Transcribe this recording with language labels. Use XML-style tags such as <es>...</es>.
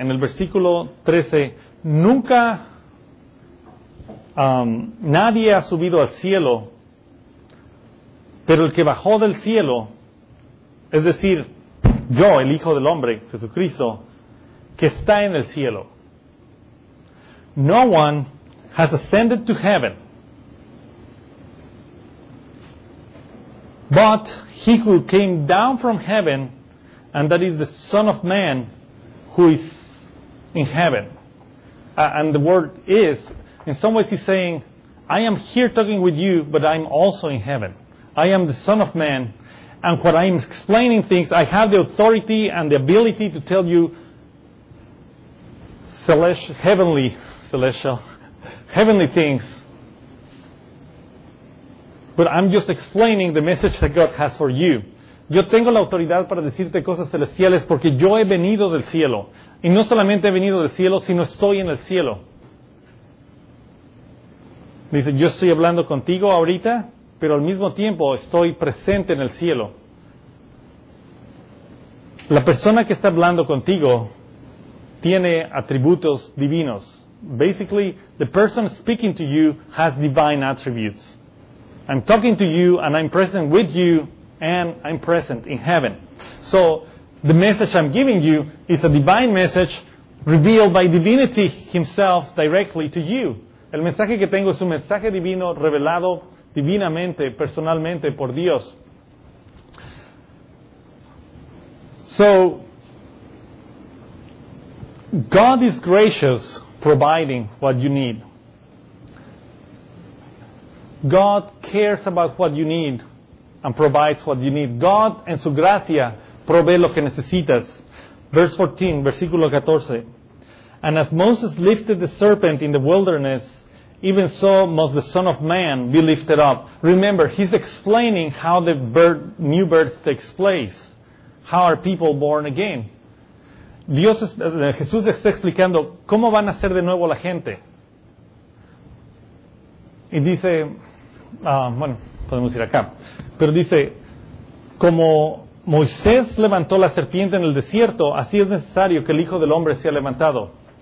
<es>En el versículo 13, nunca nadie ha subido al cielo, pero el que bajó del cielo, es decir, yo, el Hijo del Hombre, Jesucristo, que está en el cielo.</es> <en>No one has ascended to heaven, but he who came down from heaven, and that is the Son of Man, who is in heaven. And the word is, in some ways he's saying, I am here talking with you, but I'm also in heaven. I am the Son of Man, and what I'm explaining things, I have the authority and the ability to tell you heavenly things. But I'm just explaining the message that God has for you.</en> <es>Yo tengo la autoridad para decirte cosas celestiales porque yo he venido del cielo. Y no solamente he venido del cielo, sino estoy en el cielo. Dice, yo estoy hablando contigo ahorita, pero al mismo tiempo estoy presente en el cielo. La persona que está hablando contigo tiene atributos divinos.</es> <en>Basically, the person speaking to you has divine attributes. I'm talking to you and I'm present with you and I'm present in heaven. So, the message I'm giving you is a divine message revealed by divinity himself directly to you.</en> <es>El mensaje que tengo es un mensaje divino revelado divinamente, personalmente por Dios.</es> <en>So, God is gracious, providing what you need. God cares about what you need and provides what you need.</en> <es>God, en su gracia, provee lo que necesitas.</es> <en>Verse 14, versículo 14. And as Moses lifted the serpent in the wilderness, even so must the Son of Man be lifted up. Remember, he's explaining how the new birth takes place. How are people born again?</en> <es>Jesús está explicando cómo van a ser de nuevo la gente. Y dice, podemos ir acá. Pero dice, como Moisés levantó la serpiente en el desierto, así es necesario que el Hijo del Hombre sea levantado.</es>